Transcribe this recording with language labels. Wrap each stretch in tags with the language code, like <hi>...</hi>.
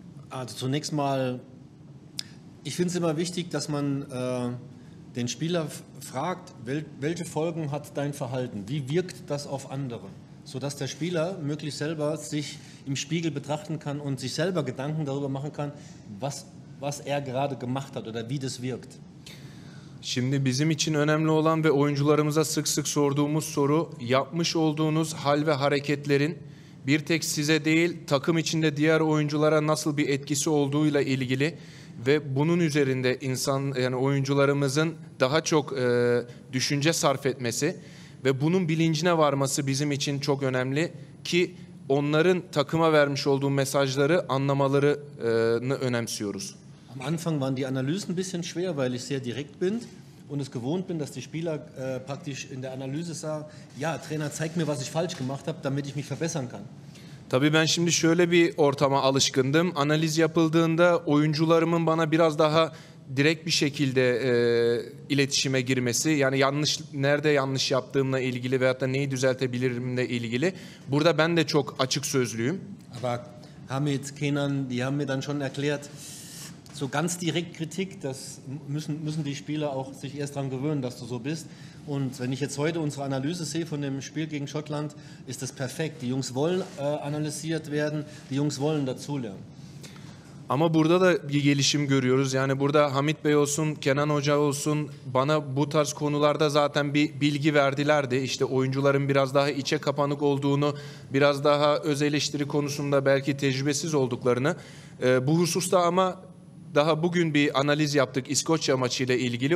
<de>Also zunächst mal, ich finde es immer wichtig, dass man den Spieler fragt, welche Folgen hat dein Verhalten? Wie wirkt das auf andere? Sodass der Spieler möglichst selber sich im Spiegel betrachten kann und sich selber Gedanken darüber machen kann, was er gerade gemacht hat oder wie das wirkt.</de> <tr>Şimdi bizim için önemli olan ve oyuncularımıza sık sık sorduğumuz soru, yapmış olduğunuz hal ve hareketlerin bir tek size değil, takım içinde diğer oyunculara nasıl bir etkisi olduğuyla ilgili ve bunun üzerinde yani oyuncularımızın daha çok düşünce sarf etmesi ve bunun bilincine varması bizim için çok önemli ki onların takıma vermiş olduğu mesajları anlamalarını önemsiyoruz.</tr> <de>Am Anfang waren die Analysen ein bisschen schwer, weil ich sehr direkt bin und es gewohnt bin, dass die Spieler praktisch in der Analyse sagen, ja, Trainer zeig mir, was ich falsch gemacht habe, damit ich mich verbessern kann.</de> <tr>Tabii ben şimdi şöyle bir ortama alışkındım. Analiz yapıldığında oyuncularımın bana biraz daha direkt bir şekilde iletişime girmesi, yani nerede yanlış yaptığımla ilgili veyahut da neyi düzeltebilirimle ilgili. Burada ben de çok açık sözlüyüm.</tr> <de>Aber Hamid, Kenan, die haben mir dann schon erklärt, so ganz direkt Kritik, das müssen die Spieler auch sich erst dran gewöhnen, dass du so bist. Und wenn ich jetzt heute unsere Analyse sehe von dem Spiel gegen Schottland, ist das perfekt. Die Jungs wollen analysiert werden, die Jungs wollen dazulernen.</de> <tr>Ama burada da bir gelişim görüyoruz. Yani burada Hamit Bey olsun, Kenan Hoca olsun bana bu tarz konularda zaten bir bilgi verdilerdi. İşte oyuncuların biraz daha içe kapanık olduğunu, biraz daha öz eleştiri konusunda belki tecrübesiz olduklarını. Bu hususta ama daha bugün bir analiz yaptık İskoçya maçıyla ilgili.</tr>